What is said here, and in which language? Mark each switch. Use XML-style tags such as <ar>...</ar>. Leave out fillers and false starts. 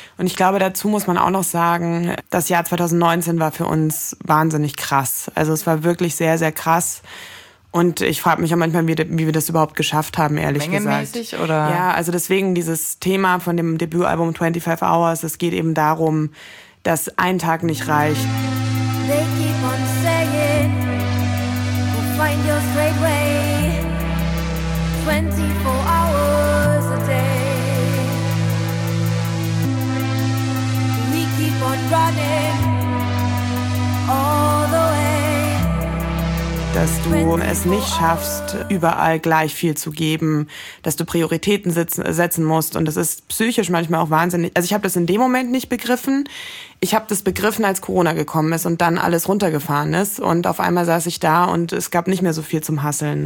<de>Und ich glaube, dazu muss man auch noch sagen, das Jahr 2019 war für uns wahnsinnig krass. Also es war wirklich sehr, sehr krass. Und ich frage mich auch manchmal, wie wir das überhaupt geschafft haben, ehrlich gesagt. Oder? Ja, also deswegen dieses Thema von dem Debütalbum 25 Hours, es geht eben darum, dass ein Tag nicht reicht.</de> <en>They keep on saying, we'll find your straight way, 24 hours a day. We keep on running, all the way.</en> <de>Dass du es nicht schaffst, überall gleich viel zu geben, dass du Prioritäten setzen musst. Und das ist psychisch manchmal auch wahnsinnig. Also ich habe das in dem Moment nicht begriffen. Ich habe das begriffen, als Corona gekommen ist und dann alles runtergefahren ist. Und auf einmal saß ich da und es gab nicht mehr so viel zum Hasseln.</de>